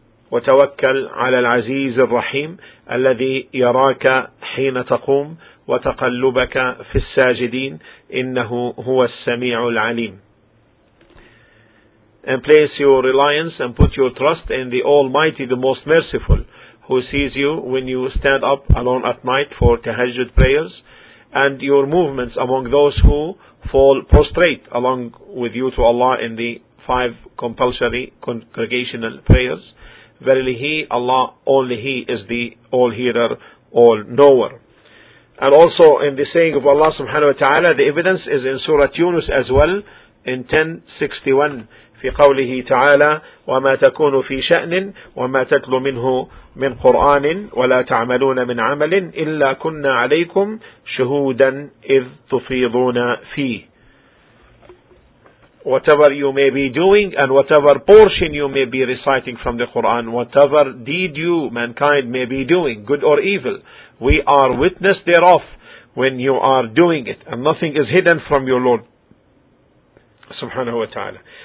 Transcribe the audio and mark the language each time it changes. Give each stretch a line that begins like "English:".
Arabic: وتوكل على العزيز الرحيم الذي يراك حين تقوم وتقلبك في الساجدين إنه هو السميع العليم.
English: And place your reliance and put your trust in the Almighty, the Most Merciful, who sees you when you stand up alone at night for tahajjud prayers, and your movements among those who fall prostrate along with you to Allah in the five compulsory congregational prayers. Verily He, Allah, only He is the All-Hearer, All-Knower. And also in the saying of Allah subhanahu wa ta'ala, the evidence is in Surah Yunus as well, in 1061.
Arabic: في قوله تعالى وما تكون في شأن وما تتلو منه من قرآن ولا تعملون من عمل إلا كنا عليكم شهودا إذ تفيضون فيه.
English: Whatever you may be doing and whatever portion you may be reciting from the Quran, whatever deed you mankind may be doing, good or evil, we are witness thereof when you are doing it, and nothing is hidden from your Lord subhanahu wa ta'ala.